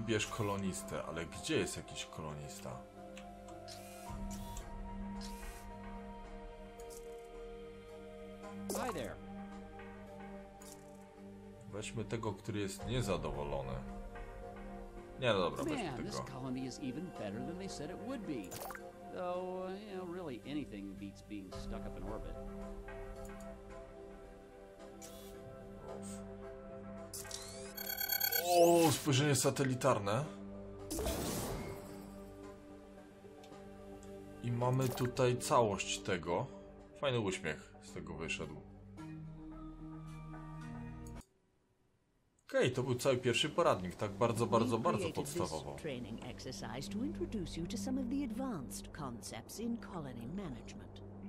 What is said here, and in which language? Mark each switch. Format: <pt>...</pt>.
<pl>Kolonistę, ale gdzie jest jakiś kolonista?</pl> <en>Hi there.</en> <pl>Weźmy tego, który jest niezadowolony. Nie, no dobra, weźmy tego.</pl> <en>This colony is even better than they said it would be. Though, you know, really anything beats being stuck up in orbit.</en> <pl>O, spojrzenie satelitarne. I mamy tutaj całość tego. Fajny uśmiech z tego wyszedł. Okej, to był cały pierwszy poradnik, tak bardzo podstawowo.</pl> <en>Training exercise to introduce you to some of the advanced concepts in colony management.</en>